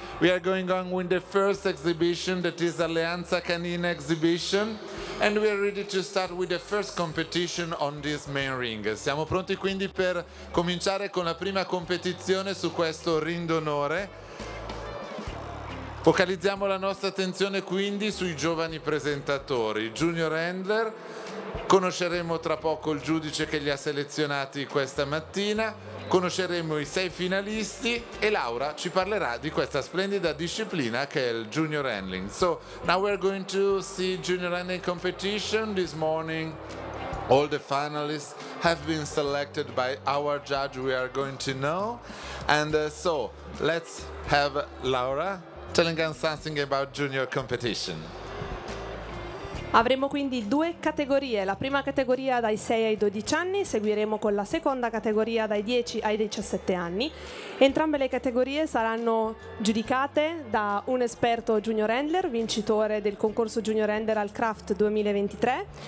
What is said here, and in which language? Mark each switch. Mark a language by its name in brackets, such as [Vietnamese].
[English] We are going on with the first exhibition, that is Alleanza Canina Exhibition, and we are ready to start with the first competition on this main ring. [Italian] Siamo pronti quindi per cominciare con la prima competizione su questo ring d'onore. Focalizziamo la nostra attenzione quindi sui giovani presentatori. Junior Handler, conosceremo tra poco il giudice che li ha selezionati questa mattina, conosceremo i sei finalisti e Laura ci parlerà di questa splendida disciplina che è il Junior Handling. [English] So now we're going to see Junior Handling competition this morning. All the finalists have been selected by our judge, we are going to know. And so let's have Laura telling us something about junior competition. [Italian] Avremo quindi due categorie, la prima categoria dai 6 ai 12 anni, seguiremo con la seconda categoria dai 10 ai 17 anni. Entrambe le categorie saranno giudicate da un esperto junior handler, vincitore del concorso junior handler al Craft 2023.